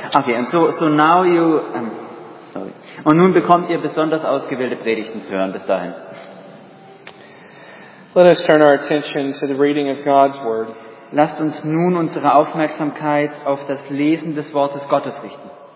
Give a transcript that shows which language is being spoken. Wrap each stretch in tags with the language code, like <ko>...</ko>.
<en>Okay, and so now you sorry.</en> <de>Und nun bekommt ihr besonders ausgewählte Predigten zu hören bis dahin.</de> <en>Let us turn our attention to the reading of God's word.</en> <de>Lasst uns nun unsere Aufmerksamkeit auf das Lesen des Wortes Gottes richten.</de>